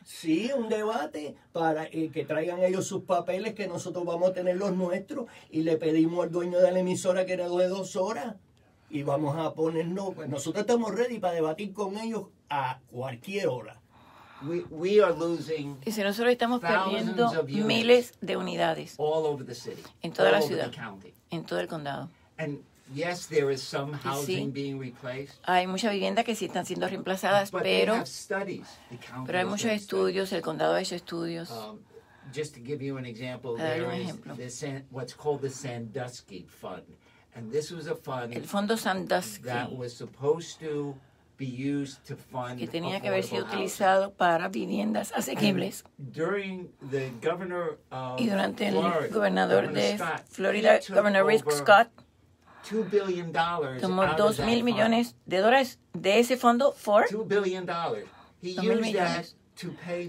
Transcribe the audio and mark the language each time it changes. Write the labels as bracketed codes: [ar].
[es] Sí, un debate para que traigan ellos sus papeles, que nosotros vamos a tener los nuestros. Y le pedimos al dueño de la emisora que era de 2 horas. y vamos a ponernos, pues nosotros estamos ready para debatir con ellos a cualquier hora. [en] We are losing. [es] Y si nosotros estamos perdiendo miles de unidades [en] all over the city, [es] en toda [en] all [es] la ciudad, en todo el condado. [en] And yes, there is some housing being replaced. [es] Hay mucha vivienda que sí están siendo reemplazadas, pero hay muchos estudios, el condado ha hecho estudios. [en] Just to give you an example, what's called the Sandusky Fund. And this was a fund, [es] el fondo Sandusky, [en] that was supposed to be used to fund, [es] que tenía que haber sido utilizado para viviendas asequibles. [en] During the governor of [es] y durante el [en] Florida, [es] gobernador de Florida, [en] Governor Rick Scott, $2 billion [es] tomó 2 mil millones de dólares de ese fondo. [en] For $2 billion. He used that to pay